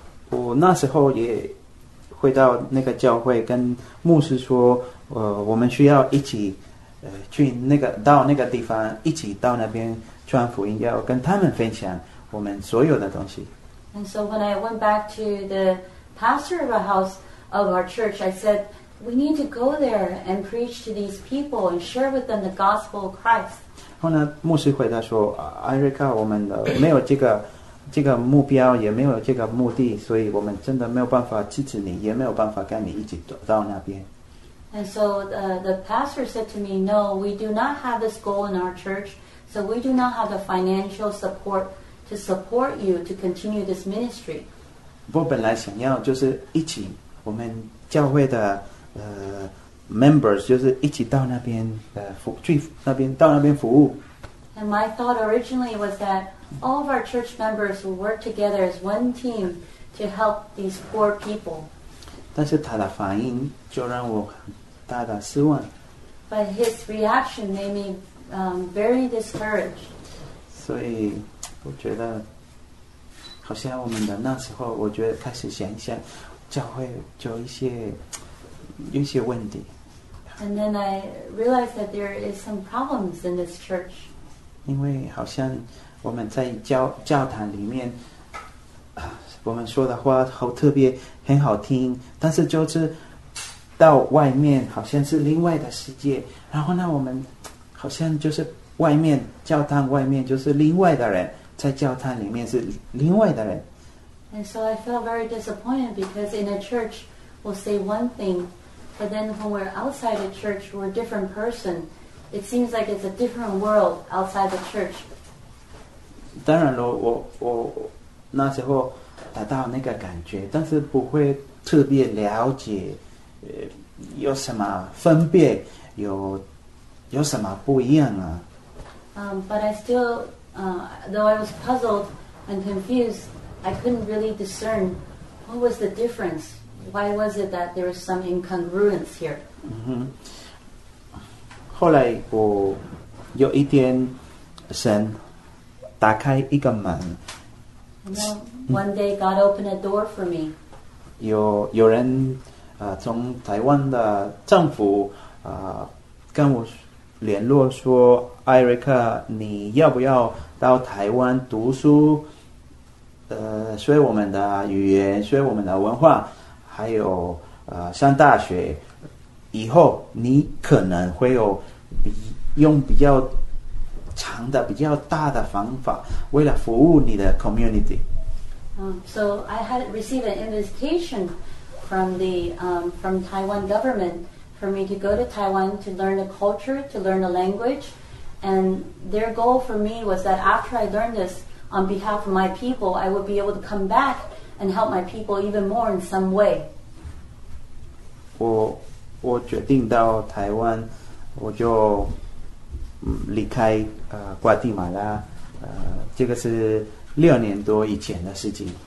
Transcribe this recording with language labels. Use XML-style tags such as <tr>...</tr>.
<zh>我那时候也回到那个教会跟牧师说，我们需要一起去那个到那个地方，一起到那边传福音，要跟他们分享我们所有的东西。</zh> <en>And so when I went back to the pastor of a house of our church, I said, we need to go there and preach to these people and share with them the gospel of Christ.</en> <zh>后呢，牧师回答说，艾瑞卡，我们没有这个目标，也没有这个目的，所以我们真的没有办法支持你，也没有办法跟你一起到那边。</zh> <en>And so the pastor said to me, no, we do not have this goal in our church, so we do not have the financial support to support you to continue this ministry.</en> <zh>我本来想要就是一起我们教会的 members 就是一起到那边服去那边到那边服务。</zh> <en>And my thought originally was that all of our church members will work together as one team to help these poor people.</en> <zh>但是他的反应就让我很大的失望。</zh> <en>But his reaction made me very discouraged.</en> <zh>所以我觉得好像我们的那时候我觉得开始想一下教会就一些问题。</zh> <en>And then I realized that there is some problems in this church.</en> <zh>因为好像我们在 教堂里面我们说的话好特别很好听但是就是到外面好像是另外的世界然后呢我们好像就是外面教堂外面就是另外的人在教堂里面是另外的人</zh> <en>And so I feel very disappointed because in a church we'll say one thing but then when we're outside a church we're a different personIt seems like it's a different world outside the church.</en> <zh>当然了，我那时候达到那个感觉，但是不会特别了解，有什么分别，有什么不一样啊。</zh> <en>But I still, though I was puzzled and confused, I couldn't really discern what was the difference. Why was it that there was some incongruence here? Mm-hmm.</en> <zh>后来我有一天神打开一个门</zh> <en>One day God opened a door for me</en> <zh>有人从台湾的政府跟我联络说 Erica 你要不要到台湾读书学我们的语言学我们的文化还有上大学以后你可能会有用比较长的比较大的方法为了服务你的 community</zh> <en>So I had received an invitation from the from Taiwan government for me to go to Taiwan to learn the culture to learn the language and their goal for me was that after I learned this on behalf of my people I would be able to come back and help my people even more in some way</en> <zh>我决定到台湾我就离开瓜地马拉这个是六年多以前的事情</zh>